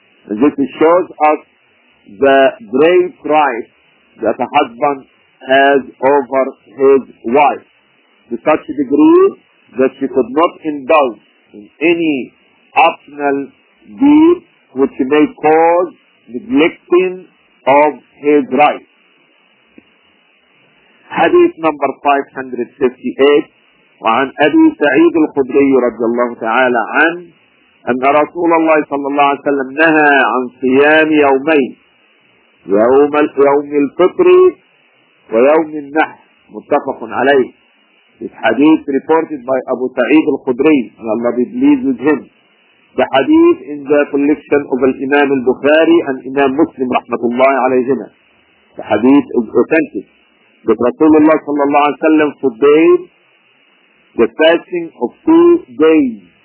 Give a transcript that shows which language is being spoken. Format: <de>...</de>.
<en>And this shows us the great right that a husband has over his wife to such a degree that she could not indulge in any optional deed which may cause neglecting of his right. Hadith number 558,</en> <ar>وعن أبي سعيد الخدري رضي الله تعالى عنه أن رسول الله صلى الله عليه وسلم نهى عن صيام يومين, يوم الفطر ويوم النحر. متفق عليه.</ar> <en>This hadith reported by Abu Sa'id al-Khudri, and Allah be pleased with him. The hadith in the collection of Imam al-Bukhari and Imam Muslim, rahmatullahi alayhim. The hadith is authentic. That Rasulullah صلى الله عليه وسلم forbade the fasting of 2 days.</en>